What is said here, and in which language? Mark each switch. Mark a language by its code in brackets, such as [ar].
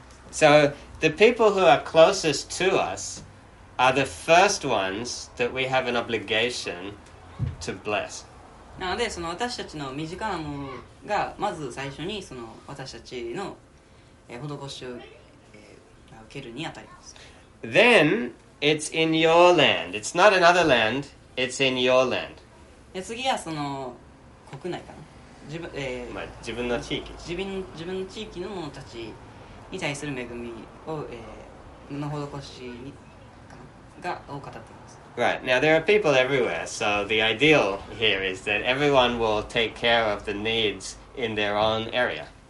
[en] So the people who are closest to us are the first ones that we have an obligation to bless. [ja] なのでその私たちの身近なものがまず最初にその私たちの施しを受けるにあたります。 [en] Then it's in your land. It's not another land. It's in your land. [ja] 次はその国内かな。自分の地域。自分の地域の者たちに対する恵みを、の施しにがを語っています。 [en] Right, now there are people everywhere, so the ideal here is that everyone will take care of the needs in their own area.